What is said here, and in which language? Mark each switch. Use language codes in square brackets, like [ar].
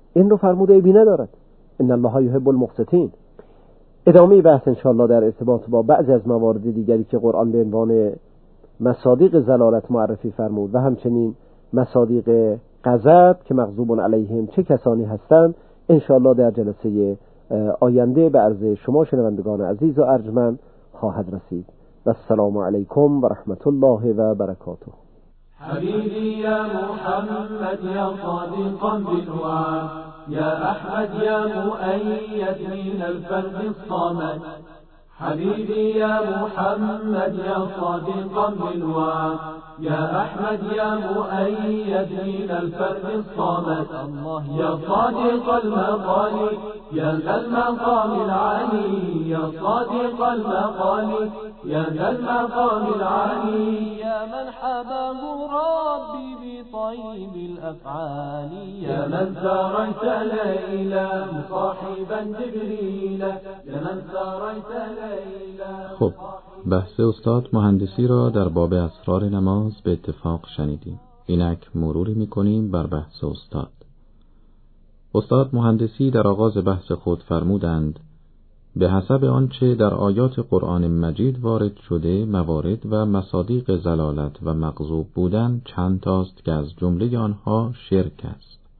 [fa] این رو فرموده ایبی ندارد. [ar] ان الله یحب المقتصدین. [fa] ادامه بحث انشاءالله در ارتباط با بعضی از موارد دیگری که قرآن به عنوان مصادیق زلالت معرفی فرمود و همچنین مصادیق غضب که مغضوب علیهم چه کسانی هستند، انشاءالله در جلسه آینده به عرض شما شنوندگان عزیز و ارجمند خواهد رسید. و السلام علیکم و رحمت الله و برکاته. [ar] حبيبي يا محمد يا صادقا بالوعى يا أحمد يا مؤيد من الفرد الصمد حبيبي يا محمد يا صادقا بالوعى يا أحمد يا مؤيد من الفرد الصمد يا صادق المقال يا ذا المقام العلي يا صادق المقال يا ذا المقام العلي يا من حباه ربي بطيب الأفعال يا من سريت ليلا صاحبا جبريلا يا من سريت ليلا. [fa] خب بحث استاد مهندسی را در باب اسرار نماز به اتفاق شنیدیم. اینک مروری میکنیم بر بحث استاد. استاد مهندسی در آغاز بحث خود فرمودند به حسب آنچه در آیات قرآن مجید وارد شده موارد و مصادیق زلالت و مغضوب بودن چند تاست که از جمله آنها شرک است.